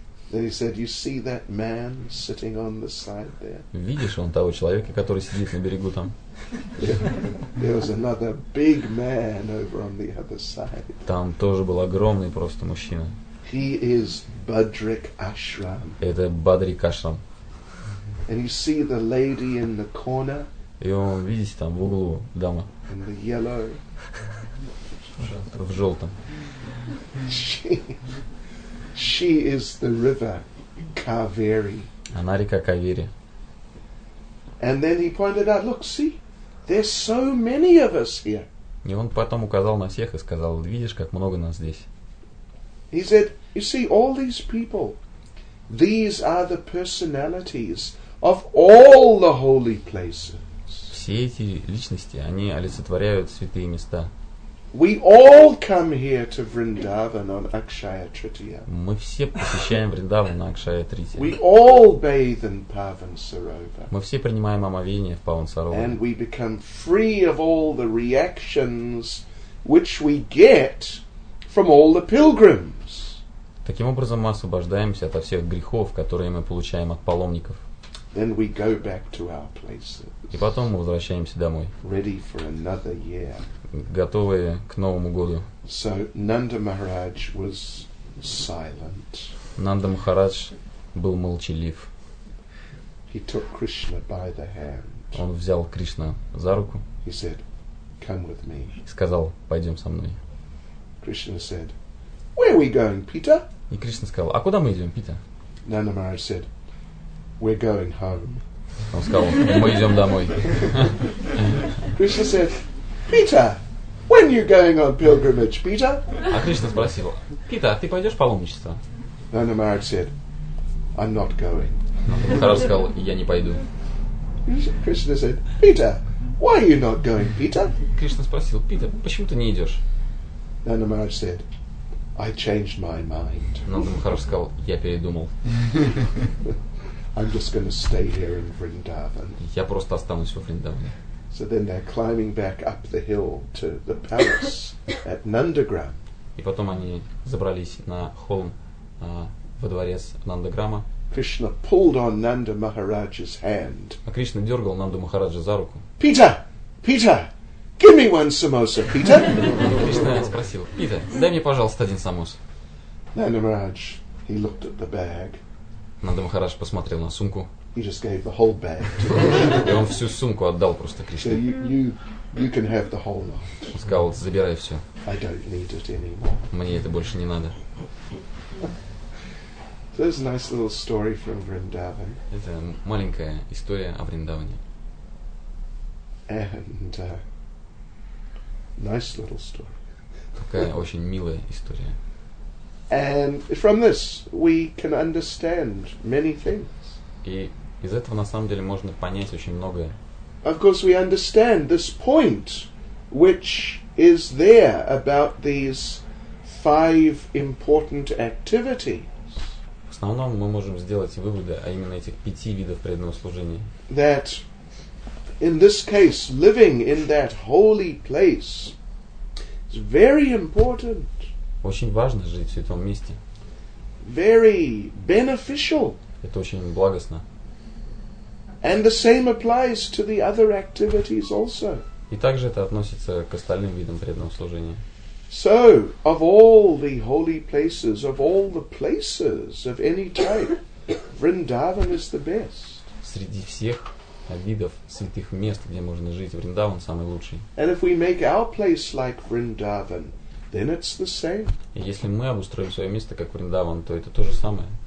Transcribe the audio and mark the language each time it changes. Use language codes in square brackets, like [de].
[en] Then he said, "You see that man sitting on the side there?" [ru] Видишь он того человека, который сидит на берегу там? [en] There was another big man over on the other side. [ru] Там тоже был огромный просто мужчина. [en] He is Badrik Ashram. [ru] Это Бадрик Ашрам. [en] And you see the lady in the corner. [ru] И он видит там в углу дама. [en] In the yellow. [ru] В желтом. [en] She is the river Kaveri. [ru] Она река Кавери. [en] And then he pointed out, look, see, there's so many of us here. [ru] И он потом указал на всех и сказал: видишь, как много нас здесь. [en] He said, you see, all these people, these are the personalities of all the holy places. [ru] Все эти личности, они олицетворяют святые места. [en] We all come here to Vrindavan on Akshaya Tritiya. [ru] Мы все посещаем Вриндаван на Акшая Тритья. [en] We all bathe in Pavan Sarovar. [ru] Мы все принимаем омовение в Паван Сарова. [en] And we become free of all the reactions which we get from all the pilgrims. [ru] Таким образом мы освобождаемся от всех грехов, которые мы получаем от паломников. [en] Then we go back to our places. [ru] И потом мы возвращаемся домой. [en] Ready for another year. [ru] Готовые к Новому году. [en] So Nanda Maharaj was silent. [ru] Нанда Махарадж был молчалив. [en] He took Krishna by the hand. [ru] Он взял Кришну за руку. [en] He said, "Come with me." [ru] Сказал: пойдем со мной. [en] Krishna said, "Where are we going, Peter?" [ru] И Кришна сказал: а куда мы идем, Питер? [en] Nanda Maharaj said, "We're going home." [ru] Он сказал: мы идем домой. [en] Krishna said, "Peter, when are you going on pilgrimage, Peter?" [ru] А Кришна спросил: Питер, ты пойдешь в паломничество? [en] Nanda Maharaj said, "I'm not going." [ru] Махарад сказал: я не пойду. [en] Krishna said, "Peter, why are you not going, Peter?" [ru] Кришна спросил: Питер, почему ты не идешь? [en] Nanda Maharaj said, "I changed my mind." [ru] Махарад сказал: я передумал. [en] I'm just going to stay here in Vrindavan. [ru] Я просто останусь во Вриндаване. [en] So then they're climbing back up the hill to the palace at Nandagram. [ru] И потом они забрались на холм во дворец Нандаграма. [en] Krishna pulled on Nanda Maharaj's hand. [ru] А Кришна дергал Нанду Махараджа за руку. [en] Peter, Peter, give me one samosa, Peter. [ru] Кришна спросил: Питер, дай мне, пожалуйста, один самос. [en] Nanda Maharaj, he looked at the bag. [ru] Нанда Махарадж посмотрел на сумку. [en] He just gave the whole bag. [ru] И он всю сумку отдал просто Кришне. [en] So you can have the whole lot. [ru] Он сказал: забирай все. [en] I don't need it anymore. [ru] Мне это больше не надо. [en] So this is a nice little story from Vrindavan. [ru] Это маленькая история о Вриндаване. [en] And nice little story. [ru] Такая очень милая история. [en] And from this we can understand many things. [ru] И из этого на самом деле можно понять очень многое. [en] Of course we understand this point which is there about these five important activities. [ru] В основном мы можем сделать выводы о именно этих пяти видов преданного служения. [en] That in this case living in that holy place is very important. [ru] Очень важно жить в святом месте. [en] Very beneficial. [ru] Это очень благостно. [en] And the same applies to the other activities also. [ru] И также это относится к остальным видам преданного служения. [en] So, of all the holy places, of all the places of any type, Vrindavan is the best. [ru] Среди всех видов святых мест, где можно жить, Вриндаван самый лучший. [en] And if we make our place like Vrindavan, then it's the same. [ru] И если мы обустроим свое место как Вриндаван, то это то же самое.